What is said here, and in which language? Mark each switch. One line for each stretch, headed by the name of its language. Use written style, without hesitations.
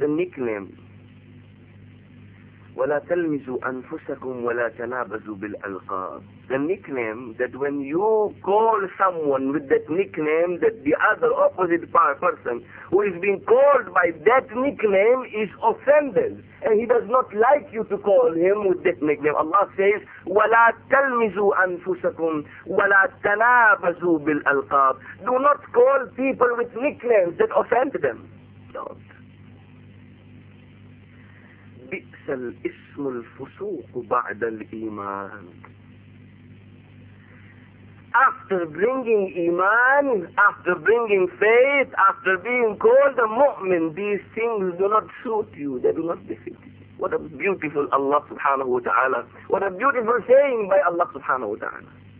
English: The nickname.
Arabic: وَلَا تَلْمِزُوا أَنفُسَكُمْ وَلَا تَنَابَزُوا بِالْأَلْقَابِ.
English: The nickname, that when you call someone with that nickname, that the other opposite person who is being called by that nickname is offended. And he does not like you to call him with that nickname. Allah says,
Arabic: وَلَا تَلْمِزُوا أَنفُسَكُمْ وَلَا تَنَابَزُوا بِالْأَلْقَابِ.
English: Do not call people with nicknames that offend them. Don't.
Arabic: بئس الاسم الفسوق بعد الإيمان.
English: After bringing iman, after bringing faith, after being called a mu'min, these things do not suit you. They do not befit you. What a beautiful Allah subhanahu wa ta'ala. What a beautiful saying by Allah subhanahu wa ta'ala.